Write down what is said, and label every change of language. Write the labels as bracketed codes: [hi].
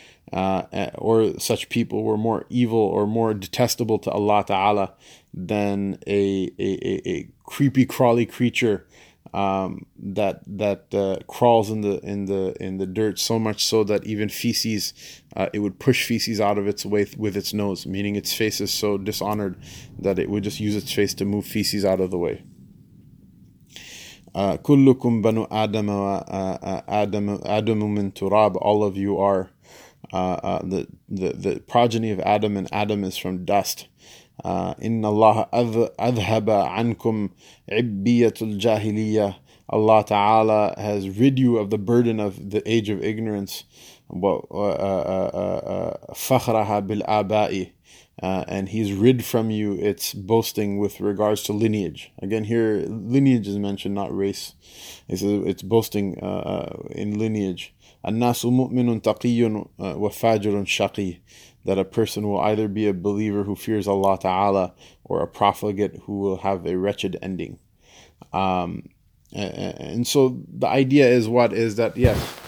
[en] Or such people were more evil or more detestable to Allah Ta'ala than a creepy crawly creature that crawls in the dirt so much so that even feces, it would push feces out of its way with its nose, meaning its face is so dishonored that it would just use its face to move feces out of the way. [ar] كلكم بنو آدم آدم آدم من تراب. [en] All of you are the progeny of Adam, and Adam is from dust. [ar] إن الله أذهب عنكم عبية الجاهلية. [en] Allah Ta'ala has rid you of the burden of the age of ignorance. [ar] فخرها بالآباء. [en] And he's rid from you its boasting with regards to lineage. Again, here lineage is mentioned, not race. It's boasting in lineage. [ar] الناس مؤمن تقي وفاجر شقي. [en] That a person will either be a believer who fears Allah Ta'ala or a profligate who will have a wretched ending. And so the idea is what? Is that, yes.